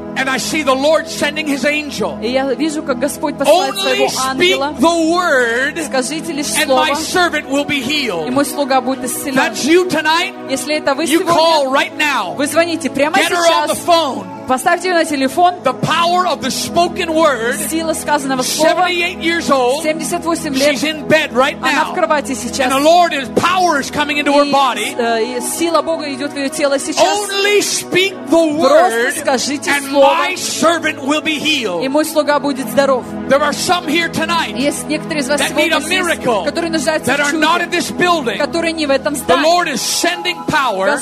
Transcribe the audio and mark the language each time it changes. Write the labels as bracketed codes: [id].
[en] And I see the Lord sending His angel. [ru] И я вижу, как Господь посылает своего ангела. [en] Only speak the word. [ru] Скажите лишь слово. [en] And my servant will be healed. [ru] И мой слуга будет исцелен. [en] That's you tonight. [ru] Если это вы [en] you [ru] сегодня, [en] call right now. [ru] Вы звоните прямо [en] Get [ru] сейчас. [en] Get her on the phone. [ru] Поставьте ее на телефон. [en] The power of the spoken word. [ru] Сила сказанного слова. [en] 78 years old. [ru] 78 лет. [en] She's in bed right now. [ru] Она в кровати сейчас. [en] And the Lord is power is coming into her body. [ru] И сила Бога идет в ее тело сейчас. [en] Only speak the word. [ru] Просто скажите [en] and [ru] слово. [en] My servant will be healed. [ru] И мой слуга будет здоров. [en] There are some here tonight. [ru] Есть некоторые из вас сегодня здесь. [en] That need a miracle. [ru] Которые нуждаются в чуде. [en] That are not in this building. [ru] Которые не в этом здании. [en] The Lord is sending power.